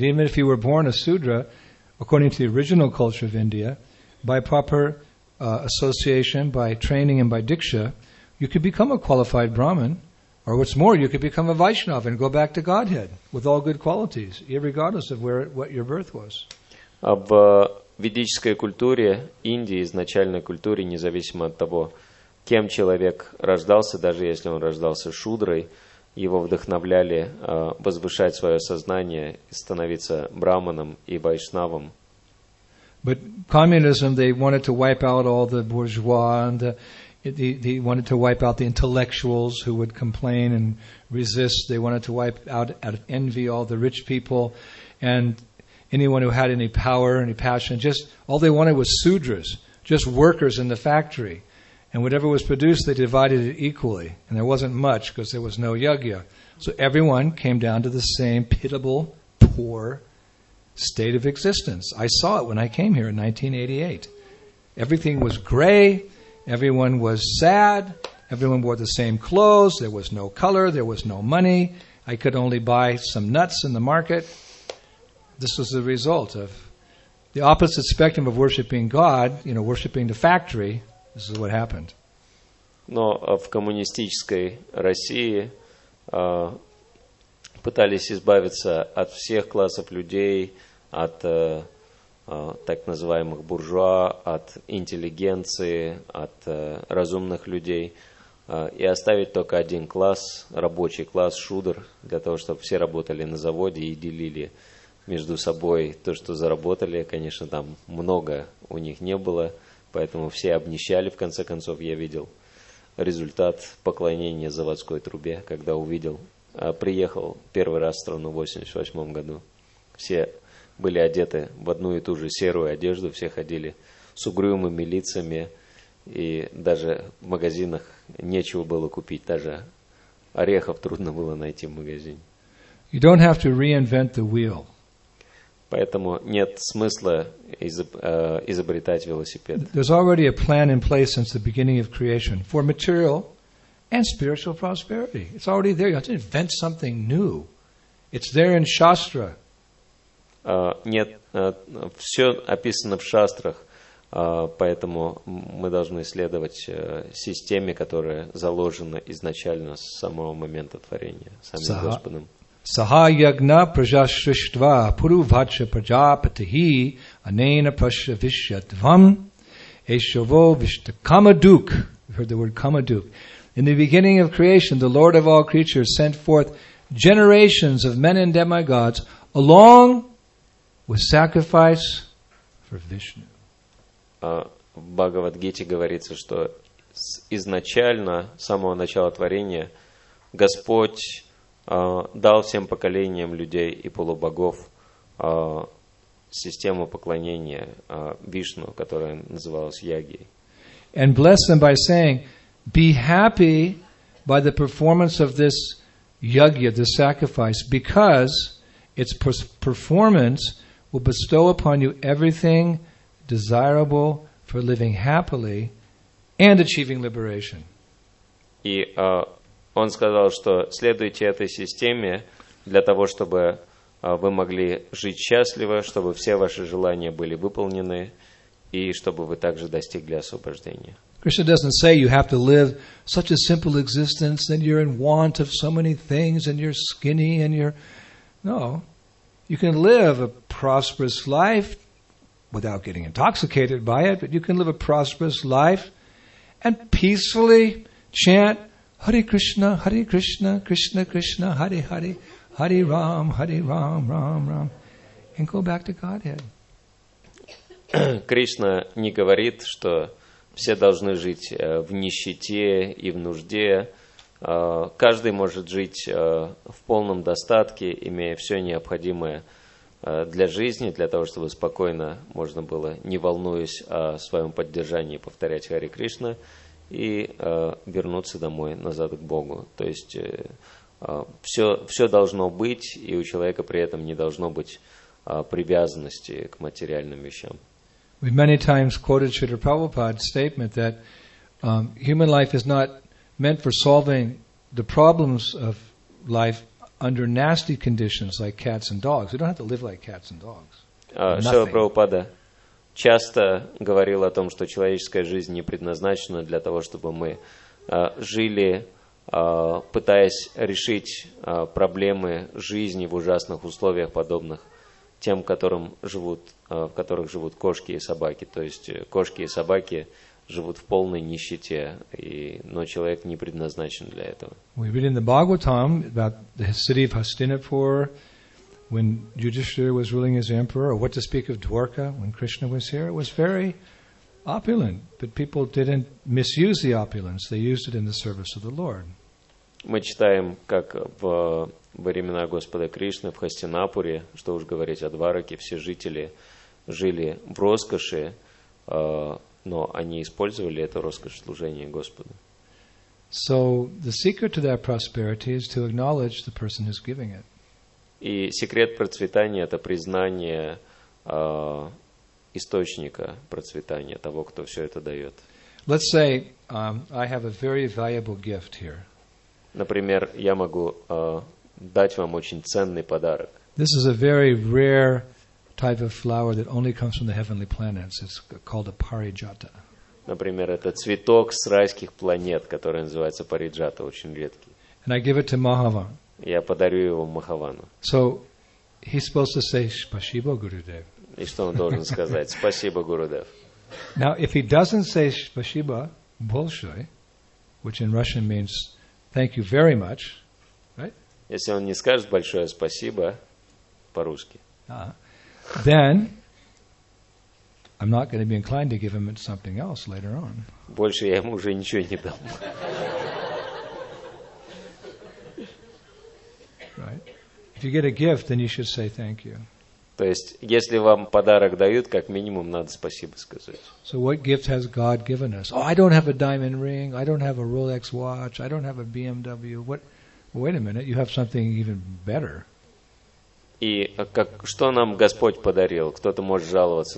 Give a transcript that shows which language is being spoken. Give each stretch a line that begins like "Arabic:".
English: Even if you were born a sudra, according to the original culture of India, by proper association, by training, and by diksha, you could become a qualified Brahmin, or what's more, you could become a Vaishnava and go back to Godhead with all good qualities, irregardless of what your birth was.
Russian: В ведической культуре Индии, изначальной культуре, независимо от того, кем человек рождался, даже если он рождался шудрой, его вдохновляли возвышать свое сознание, становиться Брахманом и Вайшнавом.
English: But communism, they wanted to wipe out all the bourgeois and they wanted to wipe out the intellectuals who would complain and resist. They wanted to wipe out out of envy all the rich people and anyone who had any power, any passion. Just all they wanted was sudras, just workers in the factory. And whatever was produced, they divided it equally. And there wasn't much because there was no yajna. So everyone came down to the same pitiable, poor state of existence. I saw it when I came here in 1988. Everything was gray. Everyone was sad. Everyone wore the same clothes. There was no color. There was no money. I could only buy some nuts in the market. This was the result of the opposite spectrum of worshiping God, you know, worshiping the factory. This is what happened.
Russian: Но в коммунистической России пытались избавиться от всех классов людей, от так называемых буржуа, от интеллигенции, от разумных людей, и оставить только один класс, рабочий класс, шудер, для того, чтобы все работали на заводе и делили между собой то, что заработали. Конечно, там много у них не было, поэтому все обнищали, в конце концов, я видел. Результат поклонения заводской трубе, когда увидел, приехал первый раз в страну в 88 году. Все были одеты в одну и ту же серую одежду, все ходили с угрюмыми лицами, и даже в магазинах нечего было купить, даже орехов трудно было найти в магазине.
English: You don't have to reinvent the wheel.
Russian: Поэтому нет смысла изобретать велосипед.
English: There's already a plan in place since the beginning of creation for material and spiritual prosperity. It's already there. You have to invent something new. It's there in Shastra.
Russian: Нет, все описано в Шастрах, поэтому мы должны следовать системе, которая заложена изначально с самого момента творения самим Господом.
Sanskrit: Saha yagna prajashrishtva puru vacha prajapatihi anena prashavishyatvam eshovo vishta kamaduk.
English: You've heard the word kamaduk. In the beginning of creation, the Lord of all creatures sent forth generations of men and demigods along with sacrifice for Vishnu.
Russian: В Бхагавадгите говорится, что изначально, с самого начала творения, Господь дал всем поколениям людей и полубогов систему поклонения Вишну, которая называлась Яги.
English: And bless them by saying, be happy by the performance of this Yagya, this sacrifice, because its performance will bestow upon you everything desirable for living happily and achieving liberation.
Russian: И Он сказал, что следуйте этой системе для того, чтобы вы могли жить счастливо, чтобы все ваши желания были выполнены и чтобы вы также достигли освобождения.
English: Krishna doesn't say you have to live such a simple existence and you're in want of so many things and you're skinny and you're... No, you can live a prosperous life without getting intoxicated by it, but you can live a prosperous life and peacefully chant Hare Krishna, Hare Krishna, Krishna Krishna, Hare Hare, Hare Ram, Ram Ram, and go back to Godhead.
Russian: Кришна не говорит, что все должны жить в нищете и в нужде. Каждый может жить в полном достатке, имея все необходимое для жизни, для того, чтобы спокойно можно было, не волнуясь о своем поддержании, повторять Хари Кришна. И вернуться домой, назад к Богу. То есть все должно быть, и у человека при этом не должно быть привязанности к материальным вещам.
English: We many times quoted Śrīla Prabhupāda's statement that human life is not meant for solving the problems of life under nasty conditions like cats and dogs. We don't have to live like cats and dogs.
Russian: Śrīla Prabhupāda часто говорил о том, что человеческая жизнь не предназначена для того, чтобы мы жили, пытаясь решить проблемы жизни в ужасных условиях, подобных тем, в которых живут кошки и собаки. То есть кошки и собаки живут в полной нищете, но человек не предназначен для этого.
English: We read in the Bhagavatam about the city of Hastinapur, when Yudhishthira was ruling as emperor, or what to speak of Dwarka when Krishna was here, it was very opulent. But people didn't misuse the opulence. They used it in the service of the Lord.
Russian: Мы читаем, как во времена Господа Кришны в Хастинапуре, что уж говорить о Двараке, все жители жили в роскоши, но они использовали эту роскошь служения Господу.
English: So the secret to that prosperity is to acknowledge the person who's giving it.
Russian: И секрет процветания – это признание источника процветания, того, кто все это дает.
English: Let's say I have a very valuable gift here.
Russian: Например, я могу дать вам очень ценный подарок.
English: This is a very rare type of flower that only comes from the heavenly planets. It's called a parijata.
Russian: Например, это цветок с райских планет, который называется Париджата, очень редкий.
English: And I give it to Mahavan.
Russian: Я подарю его Махавану.
English: So he's supposed to say
Russian: Спасибо, Гурудев. И что он должен сказать? Спасибо, Гурудев.
English: Now, if he doesn't say
Russian: Спасибо большое,
English: which in Russian means thank you very much, right?
Russian: Если он не скажет большое спасибо по-русски,
English: Then I'm not going to be inclined to give him something else later on.
Russian: Больше я ему уже ничего не дам.
English: Right? If you get a gift, then you should say thank you.
Russian: То есть, если вам подарок дают, как минимум надо спасибо сказать.
English: So what gift has God given us? Oh, I don't have a diamond ring. I don't have a Rolex watch. I don't have a BMW. What? Wait a minute. You have something even better.
Russian: И как, что нам Господь подарил? Кто-то может жаловаться.